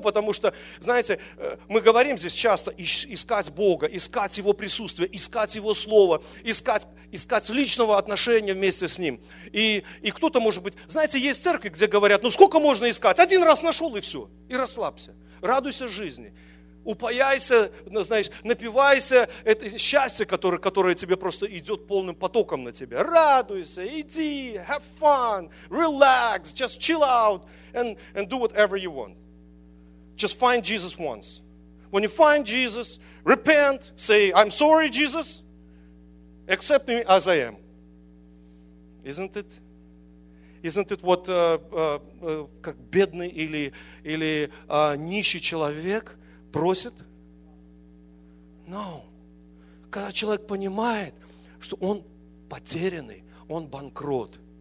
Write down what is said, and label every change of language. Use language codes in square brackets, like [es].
[ru] Потому что, знаете, мы говорим здесь часто искать Бога, искать Его присутствие, искать Его Слово, искать личного отношения вместе с Ним. И кто-то может быть, знаете, есть церкви, где говорят, ну сколько можно искать? Один раз нашел и все, и расслабься, радуйся жизни. Упаяйся, знаешь, напивайся, это счастье, которое тебе просто идет полным потоком на тебя. Радуйся, иди, [en] have fun, relax, just chill out and do whatever you want. Just find Jesus once. When you find Jesus, repent, say, I'm sorry, Jesus, accept me as I am. Isn't it? Isn't it what, [ru] как бедный или нищий человек просит? [en] No. [ru] Когда человек понимает, что он потерянный, он банкрот.